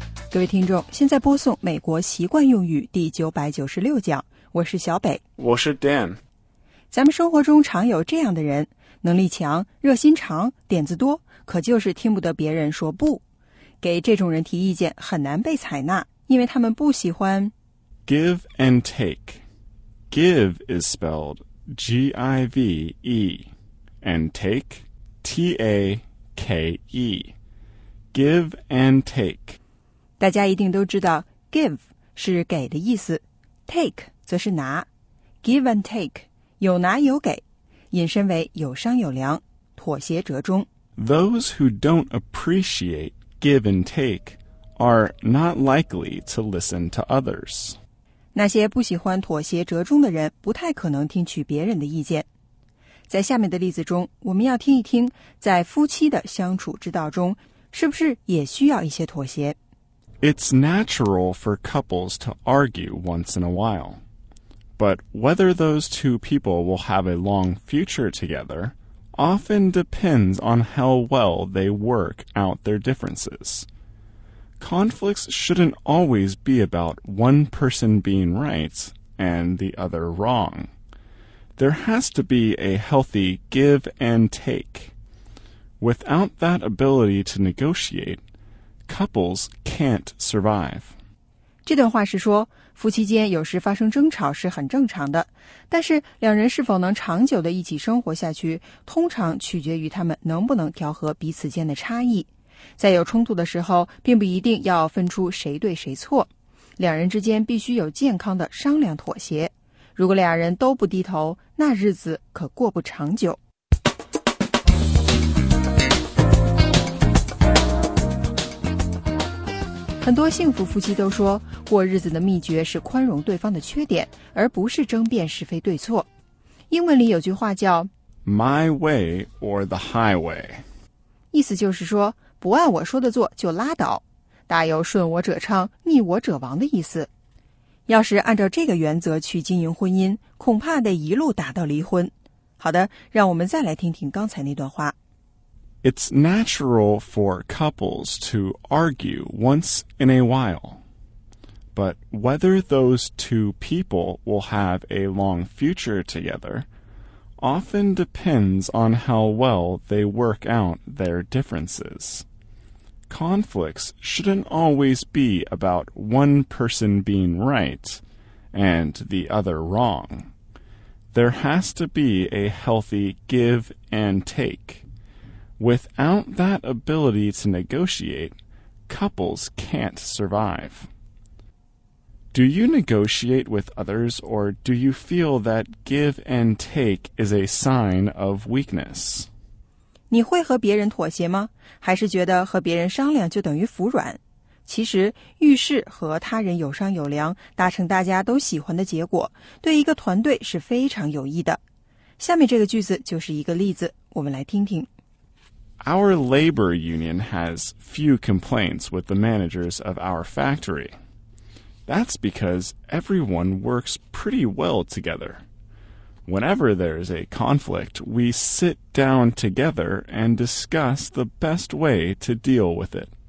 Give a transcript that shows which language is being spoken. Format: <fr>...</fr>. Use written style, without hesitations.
<zh>各位听众，现在播送美国习惯用语第996讲，我是小北，我是 Dan。咱们生活中常有这样的人，能力强，热心肠，点子多，可就是听不得别人说不。给这种人提意见很难被采纳，因为他们不喜欢</zh> <en>Give and take. Give is spelled G-I-V-E and take T-A-K-E. Give and take.</en> <zh>大家一定都知道 give 是给的意思 take 则是拿 give and take 有拿有给引申为有商有量妥协折中</zh> <en>Those who don't appreciate give and take are not likely to listen to others</en> <zh>那些不喜欢妥协折中的人不太可能听取别人的意见在下面的例子中我们要听一听在夫妻的相处之道中是不是也需要一些妥协</zh> <en>It's natural for couples to argue once in a while. But whether those two people will have a long future together often depends on how well they work out their differences. Conflicts shouldn't always be about one person being right and the other wrong. There has to be a healthy give and take. Without that ability to negotiate,Couples can't survive.</en> <zh>这段话是说，夫妻间有时发生争吵是很正常的，但是两人是否能长久地一起生活下去，通常取决于他们能不能调和彼此间的差异。在有冲突的时候，并不一定要分出谁对谁错，两人之间必须有健康的商量妥协。如果俩人都不低头，那日子可过不长久。很多幸福夫妻都说，过日子的秘诀是宽容对方的缺点，而不是争辩是非对错。英文里有句话叫</zh> <en>My way or the highway，</en> <zh>意思就是说，不按我说的做就拉倒，大有顺我者昌，逆我者亡的意思。要是按照这个原则去经营婚姻，恐怕得一路打到离婚。好的，让我们再来听听刚才那段话。</zh> <en>It's natural for couples to argue once in a while. But whether those two people will have a long future together often depends on how well they work out their differences. Conflicts shouldn't always be about one person being right and the other wrong. There has to be a healthy give and take. Without that ability to negotiate, couples can't survive. Do you negotiate with others, or do you feel that give and take is a sign of weakness?</en> <zh>你会和别人妥协吗？还是觉得和别人商量就等于服软？其实，遇事和他人有商有量，达成大家都喜欢的结果，对一个团队是非常有益的。下面这个句子就是一个例子，我们来听听。</zh> <en>Our labor union has few complaints with the managers of our factory. That's because everyone works pretty well together. Whenever there's a conflict, we sit down together and discuss the best way to deal with it.</en>